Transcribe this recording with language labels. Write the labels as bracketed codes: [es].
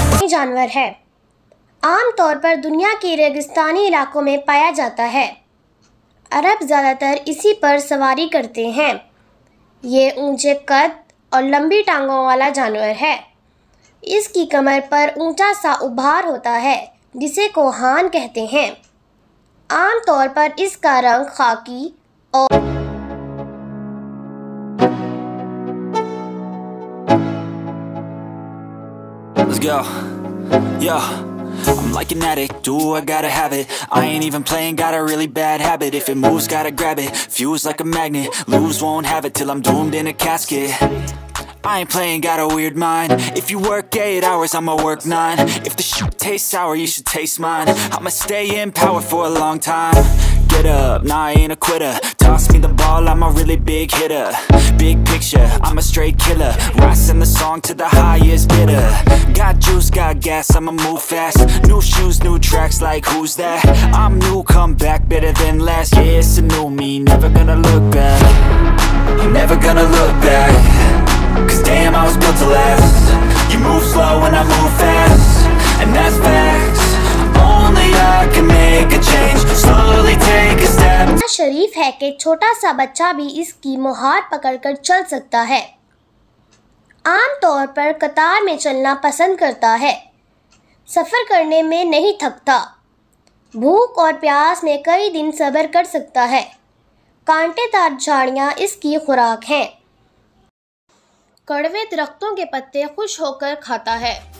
[ur] جانور ہے، عام طور پر دنیا کے ریگستانی علاقوں میں پایا جاتا ہے۔ عرب زیادہ تر اسی پر سواری کرتے ہیں۔ یہ اونچے قد اور لمبی ٹانگوں والا جانور ہے۔ اس کی کمر پر اونچا سا ابھار ہوتا ہے جسے کوہان کہتے ہیں۔ عام طور پر اس کا رنگ خاکی اور [en] Yeah, I'm like an addict, ooh, I gotta have it. I ain't even playing, got a really bad habit. If it moves, gotta grab it, fuse like a magnet. Lose, won't have it till I'm doomed in a casket. I ain't playing, got a weird mind. If you work 8 hours, I'ma work 9. If the shit tastes sour, you should taste mine. I'ma stay in power for a long time. Get up, nah, I ain't a quitter. Toss me the ball, I'm a really big hitter. Big picture, I'm a straight killer. Rising the song to the highest bidder. Got juice, got gas, I'ma move fast. New shoes, new tracks, like who's that? I'm new, come back, better than last. Yeah, it's a new me, never gonna look back. Never gonna look back. Cause damn, I was built to last. You move slow and I move fast, and that's facts. Only I can make a change, slowly take a step. [ur] اتنا شریف ہے کہ چھوٹا سا بچہ بھی اس کی مہار پکڑ کر چل سکتا ہے۔ عام طور پر قطار میں چلنا پسند کرتا ہے۔ سفر کرنے میں نہیں تھکتا۔ بھوک اور پیاس میں کئی دن صبر کر سکتا ہے۔ کانٹے دار جھاڑیاں اس کی خوراک ہیں۔ کڑوے درختوں کے پتے خوش ہو کر کھاتا ہے۔